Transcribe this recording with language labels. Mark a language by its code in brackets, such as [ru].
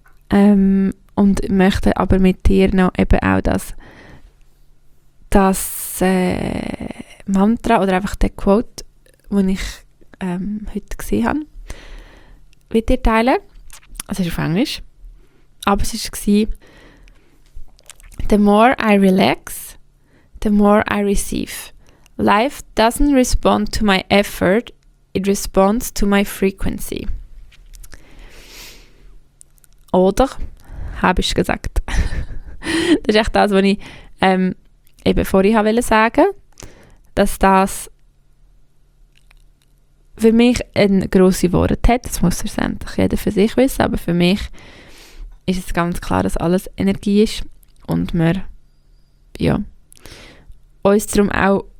[de] Und möchte aber mit dir noch eben auch das Mantra oder einfach den Quote, den ich heute gesehen habe, mit dir teilen. Es ist auf Englisch. Aber es war: [en] The more I relax, the more I receive. Life doesn't respond to my effort, it responds to my frequency. [de] Oder, habe ich gesagt. Das ist echt das, was ich eben vorhin sagen wollte, dass das für mich ein grosses Wort hat. Das muss letztendlich jeder für sich wissen, aber für mich ist es ganz klar, dass alles Energie ist und wir ja, uns darum auch